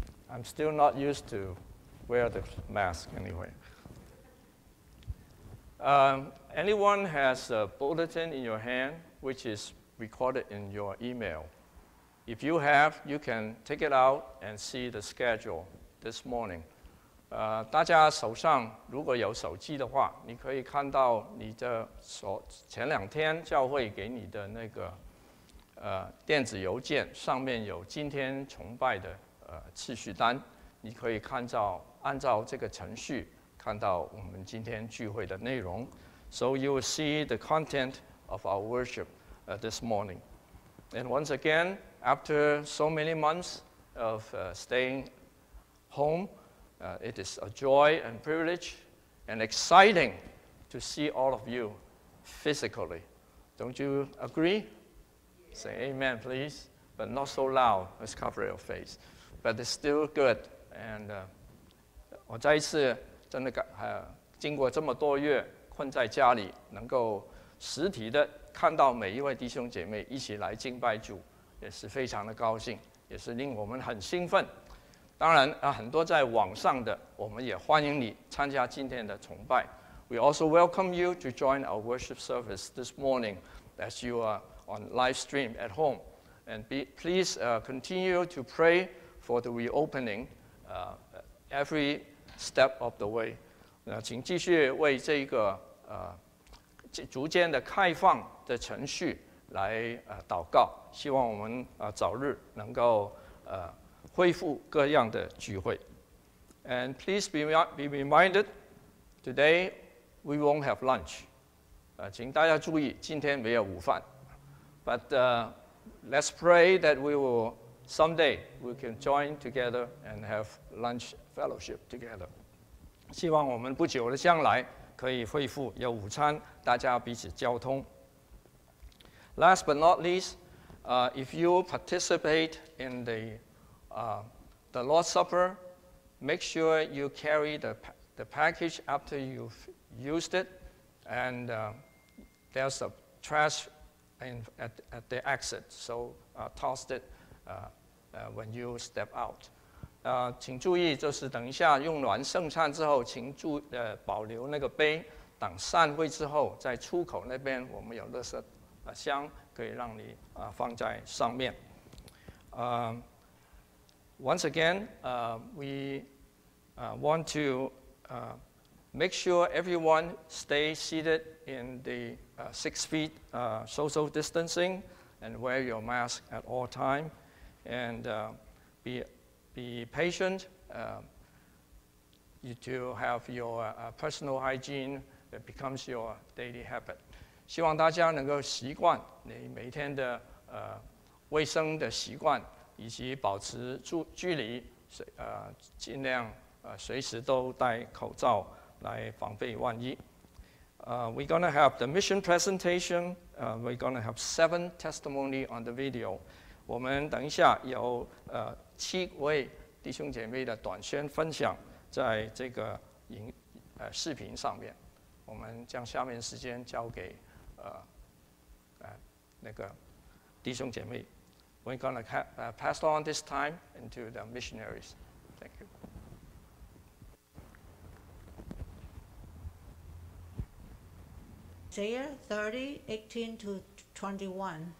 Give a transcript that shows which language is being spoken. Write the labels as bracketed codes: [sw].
[en] I'm still not used to wear the mask anyway. Anyone has a bulletin in your hand which is recorded in your email? If you have, you can take it out and see the schedule this morning. [zh] 大家手上如果有手机的话，你可以看到你的前两天教会给你的那个电子邮件，上面有今天崇拜的次序单，你可以看到按照这个程序看到我们今天聚会的内容。 [en] So you will see the content of our worship this morning. And once again, after so many months of staying home, it is a joy and privilege and exciting to see all of you physically. Don't you agree? Say amen, please. But not so loud, let's cover your face. But it's still good. [zh] And 我再一次真的经过这么多月困在家里，能够实体的看到每一位弟兄姐妹一起来敬拜主，也是非常的高兴，也是令我们很兴奋。当然很多在网上的，我们也欢迎你参加今天的崇拜。 [en] We also welcome you to join our worship service this morning as you are on live stream at home. And please continue to pray for the reopening every step of the way. [zh] 请继续为这个逐渐的开放的程序来祷告，希望我们早日能够恢复各样的聚会。 [en] And please be reminded, today we won't have lunch. [zh] 请大家注意今天没有午饭。 [en] But let's pray that we will someday we can join together and have lunch fellowship together. [zh] 希望我们不久的将来可以恢复有午餐，大家彼此交通。 [en] Last but not least, if you participate in the Lord's Supper, make sure you carry the package after you've used it, and there's a trash at the exit, so toss it when you step out. [zh] 请注意，就是等一下用完圣餐之后，请注保留那个杯，等散会之后，在出口那边我们有垃圾箱可以让你放在上面。 [en] Once again, we want to make sure everyone stay seated in the 6 feet social distancing and wear your mask at all time, and be patient. You to have your personal hygiene. It becomes your daily habit. [zh] 希望大家能够习惯你每天的卫生的习惯，以及保持距离，尽量随时都戴口罩来防备万一。 [en] We're going to have the mission presentation. We're going to have 7 testimony on the video. [zh] 我们等一下有七位弟兄姐妹的短宣分享在这个视频上面。我们将下面时间交给那个弟兄姐妹。 [en] We're going to pass on this time into the missionaries. Thank you. Isaiah 30:18-21.